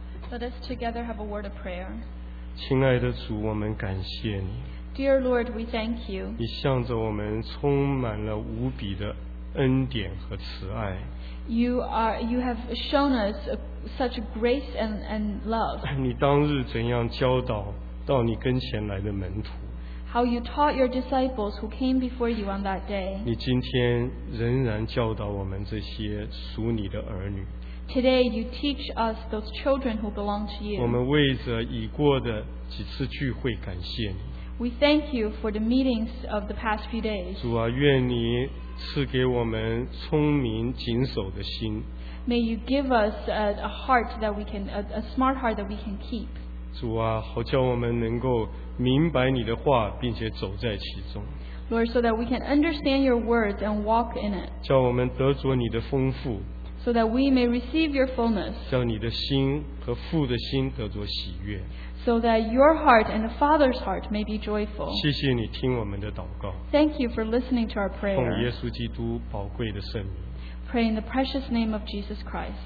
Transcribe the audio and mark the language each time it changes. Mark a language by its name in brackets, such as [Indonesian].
[English] Let us together have a word of prayer. [Chinese] 亲爱的主，我们感谢你。 [English] Dear Lord, we thank you. [Chinese] 你向着我们充满了无比的恩典和慈爱。 [English] You have shown us such grace and love. [Chinese] 你当日怎样教导到你跟前来的门徒？ [English] How you taught your disciples who came before you on that day. [Chinese] 你今天仍然教导我们这些属你的儿女。 [English] Today you teach us those children who belong to you. [Chinese] 我们为着已过的几次聚会感谢你。 [English] We thank you for the meetings of the past few days. [Chinese] 主啊，愿你赐给我们聪明谨守的心。 [English] May you give us a heart that we can, a smart heart that we can keep. [Chinese] 主啊，好叫我们能够明白你的话，并且走在其中。 [English] Lord, so that we can understand your words and walk in it. [Chinese] 叫我们得着你的丰富。 [English] So that we may receive your fullness. [Chinese] 叫你的心和父的心得着喜悦。 [English] So that your heart and the Father's heart may be joyful. [Chinese] 谢谢你听我们的祷告。 [English] Thank you for listening to our prayer. [Chinese] 奉耶稣基督宝贵的圣名。 [English] Pray in the precious name of Jesus Christ.